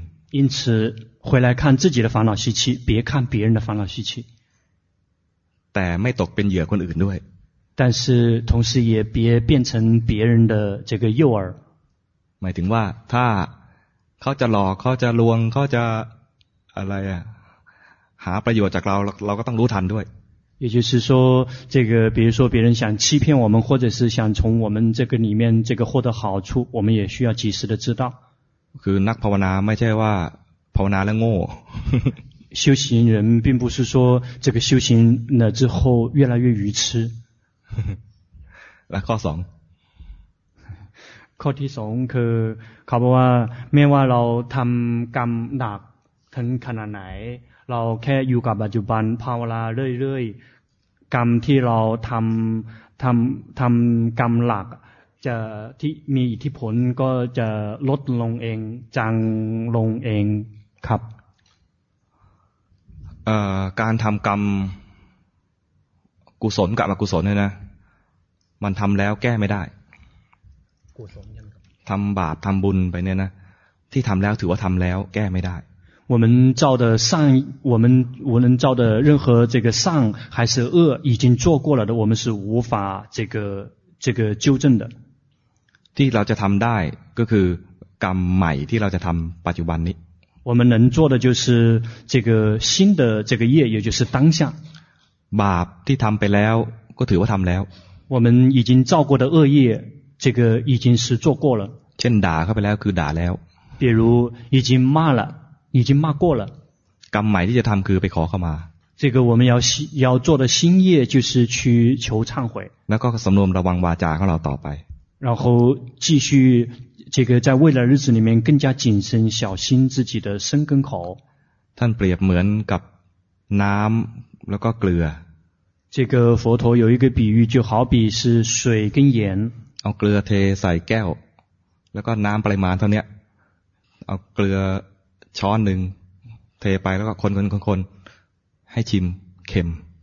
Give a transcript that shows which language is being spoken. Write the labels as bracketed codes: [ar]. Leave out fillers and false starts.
[zh] 因此回来看自己的烦恼习气，别看别人的烦恼习气。但 [th] ไม่ตกเป็นเหยื่อคนอื่นด้วย。 [zh] 但是同时也别变成别人的这个诱饵。 [th] หมายถึงว่าถ้าเขาจะหลอกเขาจะลวงเขาจะอะไรอ่ะหาประโยชน์จากเราก็ต้องรู้ทันด้วย。 [zh] 也就是说，这个比如说别人想欺骗我们，或者是想从我们这个里面这个获得好处，我们也需要及时的知道。 [th] คือนักภาวนาไม่ใช่ว่าภาวนาแล้วโง่。 [zh] 修行人并不是说这个修行了之后越来越愚痴。来 [th] ข้อสอง ข้อที่สองคือเขาบอกว่าไม่ว่าเราทำกรรมหนักถึงขนาดไหนเราแค่อยู่กับปัจจุบันภาวนาเรื่อยๆกรรมที่เราทำกรรมหลักจะที่มีอิทธิผลก็จะลดลงเองจางลงเองครับ การทำกรรมกุศลกับอกุศลเนี่ยนะมันทำแล้วแก้ไม่ได้กุศล ทำบาปทำบุญไปเนี่ยนะที่ทำแล้วถือว่าทำแล้วแก้ไม่ได้ [zh] 我们造的善我们造的任何这个善还是恶已经做过了的我们是无法这个纠正的 [th] ที่เราจะทำได้ก็คือกรรมใหม่ที่เราจะทำปัจจุบันนี้ [zh] 我们能做的就是这个新的这个业也就是当下 [th] บาปที่ทำไปแล้วก็ถือว่าทำแล้ว [zh] 我们已经造过的恶业这个已经是做过了 [th] เช่นด่าเข้าไปแล้วคือด่าแล้ว [zh] 比如已经骂了已经骂过了 [th] กรรมใหม่ที่จะทำคือไปขอเข้ามา [zh] 这个我们要做的新业就是去求忏悔 [th] แล้วก็สำรวมระวังวาจาของเราต่อไป [zh] 然后继续这个在未来日子里面更加谨慎小心自己的身跟口 [th] ท่านเปรียบเหมือนกับน้ำแล้วก็เกลือ [zh] 这个佛陀有一个比喻就好比是水跟盐 [th] เอาเกลือเทใส่แก้วแล้วก็น้ำปริมาณเท่านี้เอาเกลือช้อนหนึ่งเทไปแล้วก็คนให้ชิมเค็ม